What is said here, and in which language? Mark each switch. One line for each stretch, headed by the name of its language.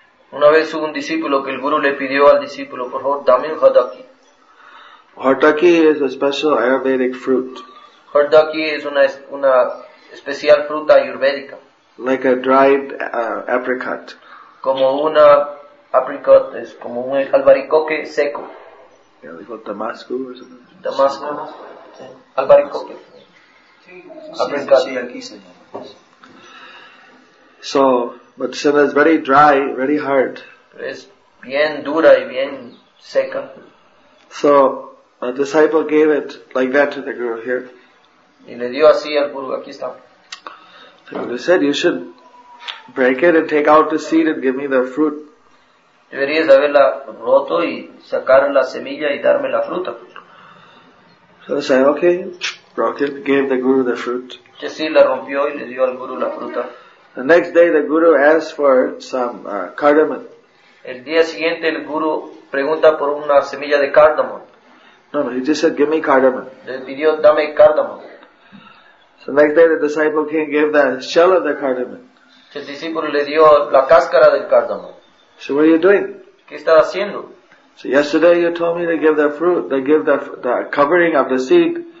Spanish: Una vez hubo un discípulo que el Guru le pidió al discípulo, por favor, dame un hotaki.
English: Hotaki is a special Ayurvedic fruit.
Spanish: Hotaki es una especial fruta ayurvédica.
English: Like a dried apricot.
Spanish: Como una apricot, es como un albaricoque seco.
English: Yeah, they call it Damasco or something.
Spanish: Damasco. Albaricoque. Apricot.
English: So, but it is very dry, very hard.
Spanish: Es bien dura y bien seca.
English: So, a disciple gave it like that to the Guru here.
Spanish: Y le dio así al Guru, aquí está.
English: The Guru said, you should break it and take out the seed and give me the fruit.
Spanish: Deberías haberla roto y sacar la semilla y darme la fruta.
English: So he said, okay, broke it, gave the Guru the fruit.
Spanish: Sí, la rompió y le dio al Guru la fruta.
English: The next day the Guru asked for some cardamom.
Spanish: El día siguiente el Guru pregunta por una semilla de cardamom.
English: No, he just said, give me cardamom.
Spanish: Le pidió, dame cardamom.
English: So next day the disciple came, gave the shell of the cardamom.
Spanish: El discípulo le dio la cáscara del cardamom.
English: So what are you doing?
Spanish: ¿Qué estás haciendo?
English: So yesterday you told me to give the fruit, to give the covering of the seed.